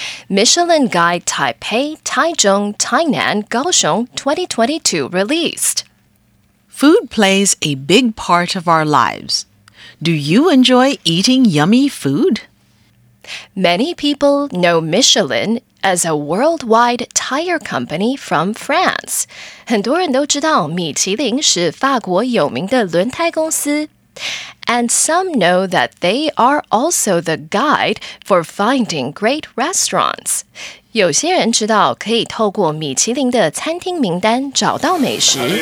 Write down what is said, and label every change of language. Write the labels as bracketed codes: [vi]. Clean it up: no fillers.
[en] Michelin Guide Taipei, Taichung, Tainan, Kaohsiung 2022 released. Food plays a big part of our lives. Do you enjoy eating yummy food? Many people know Michelin as a worldwide tire company from France. [zh] 很多人都知道米其林是法国有名的轮胎公司。 [en] And some know that they are also the guide for finding great restaurants. [zh] 有些人知道可以透过米其林的餐厅名单找到美食。